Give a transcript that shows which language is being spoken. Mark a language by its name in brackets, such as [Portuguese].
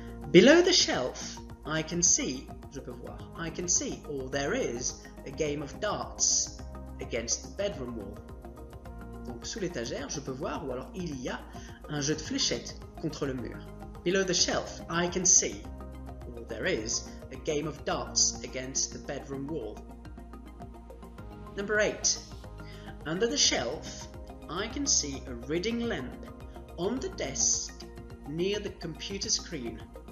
[English] Below the shelf, I can see, [French] je peux voir, [English] I can see, or there is, a game of darts against the bedroom wall. [French] Donc sous l'étagère, je peux voir, ou alors il y a, un jeu de fléchettes contre le mur. [English] Below the shelf, I can see, or there is, a game of darts against the bedroom wall. Number 8. Under the shelf, I can see a reading lamp on the desk near the computer screen.